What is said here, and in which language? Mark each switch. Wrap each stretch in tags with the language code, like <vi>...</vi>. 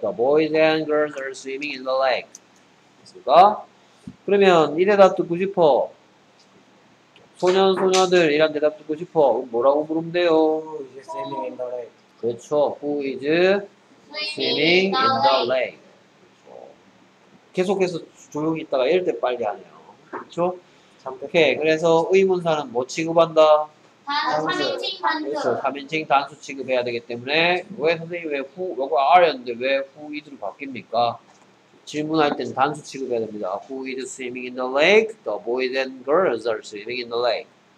<en>The boys and girls are swimming in the lake.</en> <ko>됐습니까? 그러면 이래 답 듣고 싶어. 소년 소녀들 이란 대답 듣고 싶어. 뭐라고 부르면 돼요?</ko> <en>Who is swimming in the lake?</en> <ko>그렇죠.</ko> <en>Who is swimming in the lake? 그렇죠.</en> <ko>계속해서 조용히 있다가 이럴 때 빨리 하네요. 그렇죠? 오케이. 그래서 의문사는 뭐 취급한다? 단수. 그렇죠. 3인칭 단수 취급해야 되기 때문에 왜 선생님 왜 who 여기 R였는데 왜 who is로 바뀝니까? 질문할 땐 단수 취급해야 됩니다.</ko> <en>Who is swimming in the lake? The boys and girls are swimming in the lake.</en>